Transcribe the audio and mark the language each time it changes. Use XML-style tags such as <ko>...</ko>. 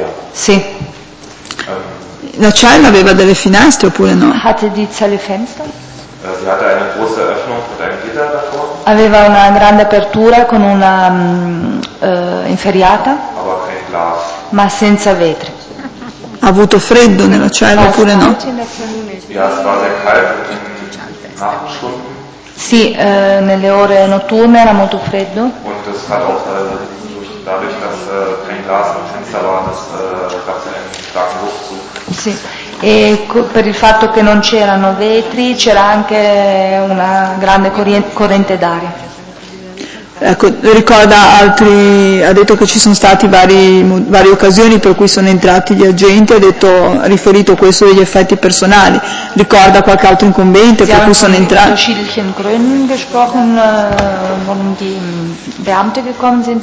<it>Sì. La cella aveva delle finestre oppure no?</it> <de>Hatte die Zelle Fenster? Sie hatte eine große Öffnung mit einem Gitter davor.</de> <it>Aveva una grande apertura con una inferriata.</it> <de>Aber kein Glas.</de> <it>Ma senza vetri. Ha avuto freddo nella cella oppure no?</it> <de>Ja, es war sehr kalt in den Nachtstunden.</de> <it>Sì, nelle ore notturne era molto freddo.</it> <de>Und das hat auch dadurch, dass kein Glas im Fenster war, das gab es einen starken Luftzug.</de> <it>Sì, e per il fatto che non c'erano vetri c'era anche una grande corrente d'aria. Ecco, ricorda altri, ha detto che ci sono stati varie occasioni per cui sono entrati gli agenti, ha riferito questo degli effetti personali. Ricorda qualche altro incombente per cui sono entrati?</it> <de>Sie haben von Schildchen Grün gesprochen, warum die Beamte gekommen sind.</de>